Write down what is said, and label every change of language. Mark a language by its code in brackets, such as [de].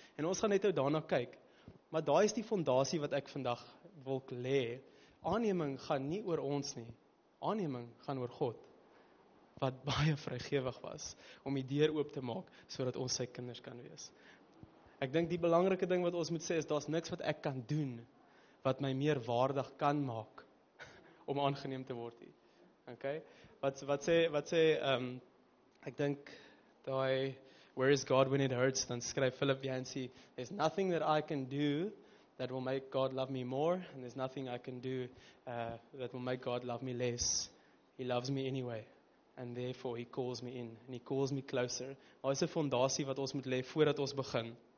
[af] En ons gaan net ou daarna kyk. Maar daai is die fondasie wat ek vandag wil lê. Aanneming gaan nie oor ons nie. Aanneming gaan oor God. wat baie vrygewig was om die deur oop te maak sodat ons sy kinders kan wees. Ek dink die belangrike ding wat ons moet sê is daar's niks wat ek kan doen wat my meer waardig kan maak om aangeneem te word hier. Okay? Wat sê ek dink daai [en] where is God when it hurts [af] dan skryf [en] Philip Yancey there's nothing that I can do that will make God love me more and there's nothing I can do that will make God love me less. He loves me anyway and therefore he calls me in and he calls me closer. [af] Daar is 'n fondasie wat ons moet lê voordat ons begin.